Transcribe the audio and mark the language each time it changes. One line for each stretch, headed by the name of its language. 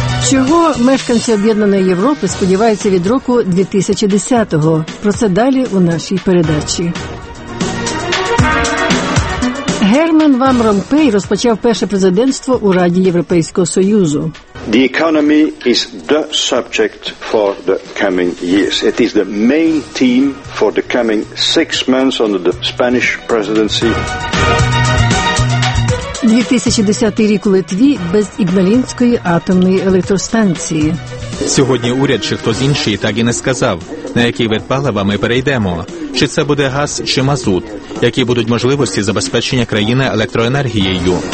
Ukrainian: Чого мешканці Об'єднаної Європи сподіваються від року 2010-го? Про це далі у нашій передачі. Герман Ван Ромпей розпочав перше президентство у Раді Європейського Союзу.
English: The economy is the subject for the coming years. It is the main theme for the coming six months under the Spanish presidency.
Ukrainian: 2010 рік у Литві без Ігналінської атомної електростанції. Сьогодні уряд чи хтось інший так і не сказав, на який вид палива ми перейдемо. Чи це буде газ чи мазут? Які будуть можливості забезпечення країни електроенергією?